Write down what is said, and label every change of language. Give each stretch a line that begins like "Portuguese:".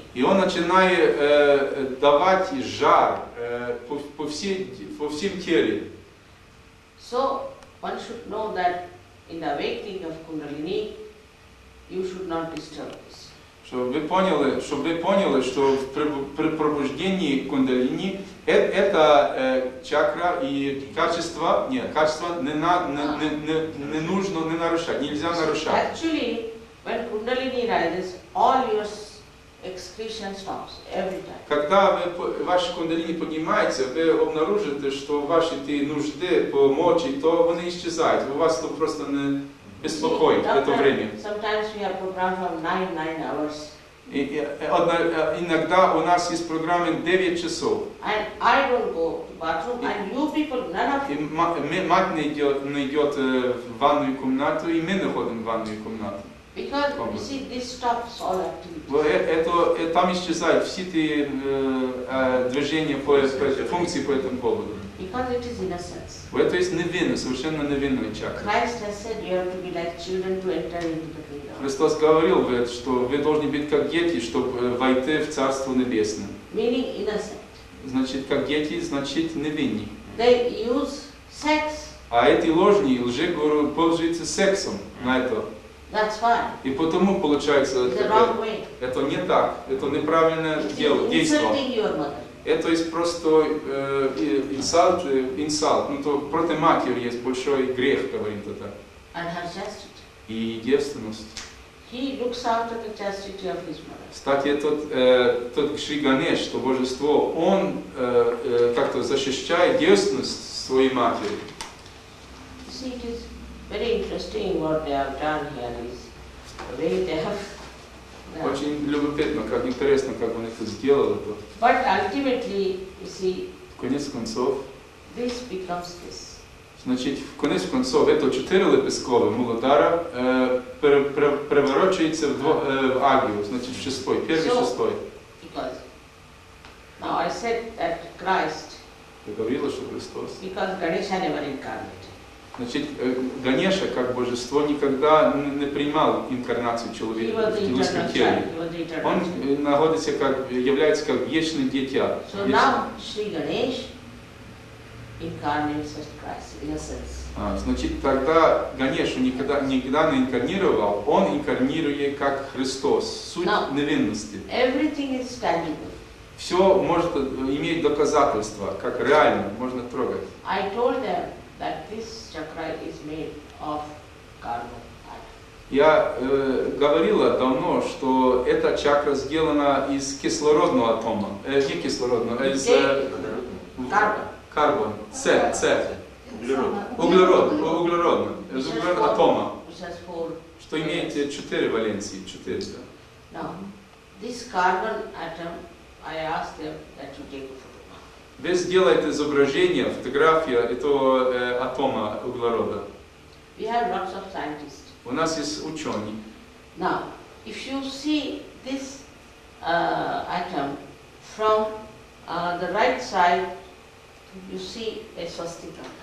Russian: И он начинает давать жар по всем теле.
English: So one should know that in the awakening of Kundalini, you should not disturb this.
Russian: Чтобы вы поняли, что при пробуждении кундалини это чакра и качество не нужно не нарушать, нельзя нарушать.
English: Actually, when kundalini rises, all your excretion stops every time.
Russian: Когда ваша кундалини поднимается, вы обнаружите, что ваши те нужды по мочи, то они исчезают. У вас то просто не беспокоит в это время.
English: Sometimes we are programmed from 9 hours.
Russian: Иногда у нас есть программа 9 часов.
English: And I don't go to bathroom, and you people none of.
Russian: Мать не идет в ванную комнату, и мы не ходим в ванную комнату.
English: Because you see, this stops all activities.
Russian: Это там исчезает все эти движения по функции по этому поводу.
English: Because it is innocence.
Russian: Это есть невинно, совершенно невинный чакра.
English: Christ has said you have to be like children to enter into the kingdom.
Russian: Христос говорил, что вы должны быть как дети, чтобы войти в Царство Небесное.
English: Meaning innocent.
Russian: Значит, как дети, значит невинни.
English: They use sex.
Russian: А эти ложные лжегуру пользуются сексом на это.
English: That's why.
Russian: И потому получается, это не так, это неправильное дело, действие. Это есть просто инсульт, ну то против матери есть большой грех, говорит это.
English: And her chastity.
Russian: И девственность.
English: He looks after the chastity of his mother.
Russian: Кстати, тот Шри Ганеш, то божество, он как-то защищает девственность своей матери.
English: See, it is very interesting what they have done here is way they have. Yeah.
Russian: Очень любопытно, как интересно, как он это сделал.
English: But ultimately, you see.
Russian: В конце концов.
English: This becomes this.
Russian: Значит, в конце концов, это четыре лепесткові Муладхара переворачивается в агью, значит, в шестой, первый
English: so,
Russian: шестой.
English: Because. Now I said that Christ.
Russian: Ты говорила, что Христос.
English: Because Ganesha never incarnated.
Russian: Значит, Ганеша как божество никогда не принимал инкарнацию человека в телесном теле. Он находится как является как вечное дитя.
English: So now Шри Ганеш. Incarnates as Christ, in a sense.
Russian: Значит, тогда Ганеша никогда не инкарнировал, он инкарнирует как Христос, суть
English: Now,
Russian: невинности.
English: Everything is tangible.
Russian: Все может иметь доказательства, как реально, можно трогать.
English: I told them that this chakra is made of carbon atom.
Russian: Я говорила давно, что эта чакра сделана из кислородного атома, не кислородного, из
English: Carbon.
Russian: Карбон, С. Углерод. Углерод. Углерод. Углерод. Углерод атома.
English: Four,
Russian: что имеете четыре валенции, четыре.
English: No. This carbon atom, I asked them that you take a photograph.
Russian: Вы сделаете изображение, фотографию этого атома углерода.
English: We have lots of scientists.
Russian: У нас есть ученые.
English: Now, if you see this atom from the right side, you see a swastika.